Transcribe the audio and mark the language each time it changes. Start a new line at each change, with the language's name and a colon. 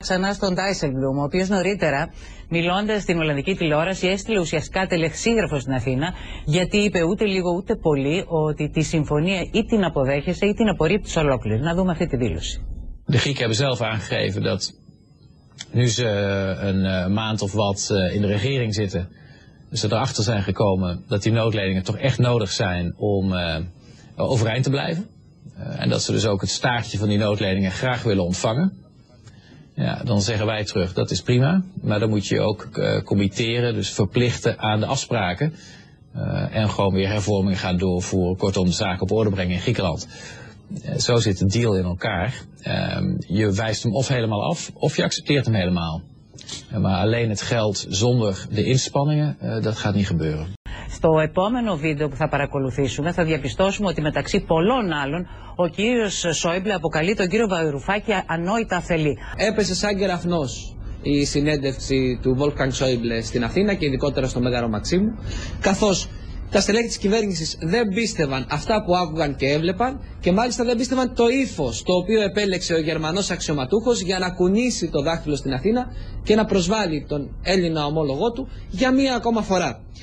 Greek: Ξανά στον Ντάισελμπλουμ, ο οποίος νωρίτερα, μιλώντας στην Ολλανδική τηλεόραση, έστειλε ουσιαστικά τελεξίγραφο στην Αθήνα, γιατί είπε ούτε λίγο ούτε πολύ ότι τη συμφωνία ή την αποδέχεσαι ή την απορρίπτει ολόκληρη. Να δούμε αυτή τη δήλωση.
Dutch: De Grieken hebben zelf aangegeven dat nu ze een maand of wat in de regering zitten, ze erachter zijn gekomen dat die noodleningen toch echt nodig zijn om overeind te blijven. En dat ze dus ook het staartje van die noodleningen graag willen ontvangen. Ja, dan zeggen wij terug, dat is prima. Maar dan moet je ook committeren, dus verplichten aan de afspraken. En gewoon weer hervormingen gaan doorvoeren. Kortom, de zaken op orde brengen in Griekenland. Zo zit de deal in elkaar. Je wijst hem of helemaal af, of je accepteert hem helemaal. Maar alleen het geld zonder de inspanningen, dat gaat niet gebeuren.
Greek: Στο επόμενο βίντεο που θα παρακολουθήσουμε θα διαπιστώσουμε ότι μεταξύ πολλών άλλων ο κύριος Σόιμπλε αποκαλεί τον κύριο Βαϊρουφάκη ανόητα αφελή. Έπεσε σαν κεραυνός η συνέντευξη του Βόλκαν Σόιμπλε στην Αθήνα και ειδικότερα στο Μέγαρο Μαξίμου, καθώς τα στελέχη της κυβέρνησης δεν πίστευαν αυτά που άκουγαν και έβλεπαν και μάλιστα δεν πίστευαν το ύφος το οποίο επέλεξε ο Γερμανός αξιωματούχος για να κουνήσει το δάχτυλο στην Αθήνα και να προσβάλλει τον Έλληνα ομόλογό του για μία ακόμα φορά.